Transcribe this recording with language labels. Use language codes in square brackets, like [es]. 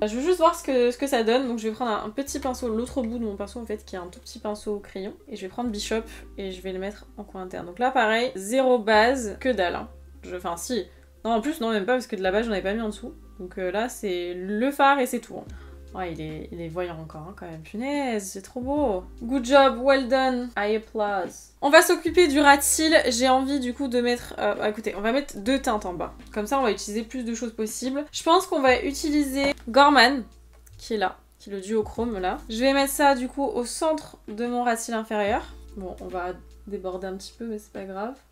[fr] Je veux juste voir ce que ça donne, donc je vais prendre un petit pinceau, l'autre bout de mon pinceau, en fait, qui est un tout petit pinceau au crayon, et je vais prendre Bishop, et je vais le mettre en coin interne. Donc là, pareil, zéro base, que dalle, hein. Enfin si, non en plus non même pas parce que de la base j'en avais pas mis en dessous. Donc là c'est le phare et c'est tout. Ouais il est voyant encore hein, quand même. Punaise c'est trop beau. [en] Good job, well done, I applause. [fr] On va s'occuper du ratil. J'ai envie du coup de mettre, écoutez on va mettre deux teintes en bas. Comme ça on va utiliser plus de choses possibles. Je pense qu'on va utiliser Gorman qui est là, qui est le duochrome là. Je vais mettre ça du coup au centre de mon ratil inférieur. Bon on va déborder un petit peu mais c'est pas grave.